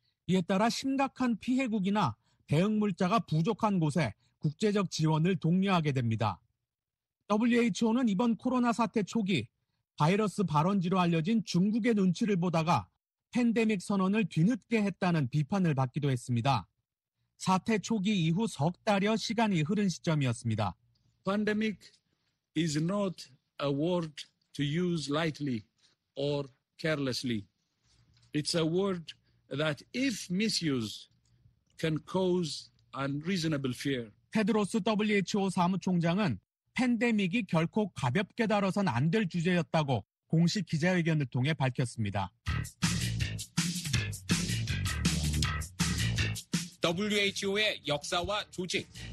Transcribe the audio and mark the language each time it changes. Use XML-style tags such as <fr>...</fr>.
<ko>이에 따라 심각한 피해국이나 대응 물자가 부족한 곳에 국제적 지원을 독려하게 됩니다. WHO는 이번 코로나 사태 초기 바이러스 발원지로 알려진 중국의 눈치를 보다가 팬데믹 선언을 뒤늦게 했다는 비판을 받기도 했습니다. 사태 초기 이후 석 달여 시간이 흐른 시점이었습니다.</ko> <en>Pandemic is not a word to use lightly or carelessly. It's a word that if misused can cause unreasonable fear.</en> <ko>테드로스 WHO 사무총장은 팬데믹이 결코 가볍게 다뤄선 안 될 주제였다고 공식 기자회견을 통해 밝혔습니다. WHO의 역사와 조직.</ko>